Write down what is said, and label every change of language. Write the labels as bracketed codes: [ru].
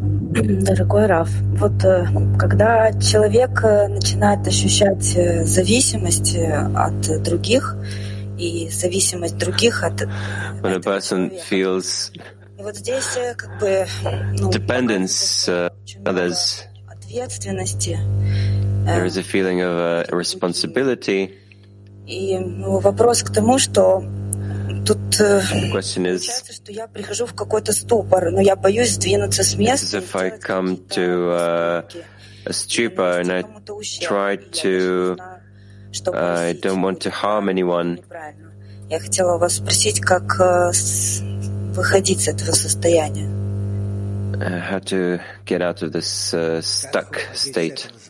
[ru] Дорогой Раф, вот когда человек начинает ощущать зависимость от других и зависимость других от... [en] When a person feels dependence others, there is a feeling of responsibility. [ru] Вопрос к тому, что тут. [en] The question is, [ru] что я прихожу в какой-то ступор, но я боюсь сдвинуться с места. [en] As if I come to a stupor and I try to I don't want to harm anyone. [ru] Я хотела вас спросить, как выходить из этого состояния. [en] How to get out of this stuck state.